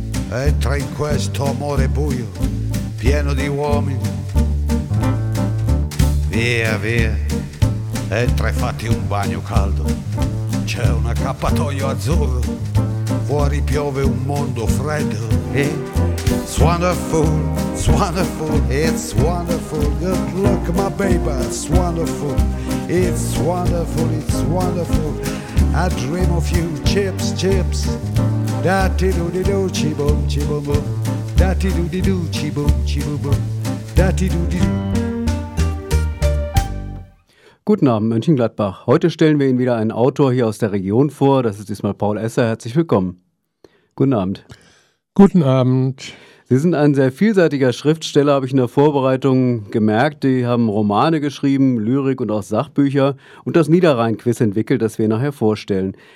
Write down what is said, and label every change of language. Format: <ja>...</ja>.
<it>Entra in questo amore buio, pieno di uomini. Via, via, entra e fatti un bagno caldo. C'è un accappatoio azzurro, fuori piove un mondo freddo.</it> <en>It's wonderful, it's wonderful, it's wonderful. Good luck, my baby, it's wonderful. It's wonderful, it's wonderful. I dream of you, chips, chips. Dati do di do ci bom ci bom bom, dati do di do ci bom ci bom bom, dati do di do.</en> <de>Guten Abend, Mönchengladbach. Heute stellen wir Ihnen wieder einen Autor hier aus der Region vor. Das ist diesmal Paul Esser. Herzlich willkommen. Guten Abend. Guten Abend. Sie sind ein sehr vielseitiger Schriftsteller, habe ich in der Vorbereitung gemerkt. Sie haben Romane geschrieben, Lyrik und auch Sachbücher und das Niederrhein-Quiz entwickelt, das wir nachher vorstellen.</de>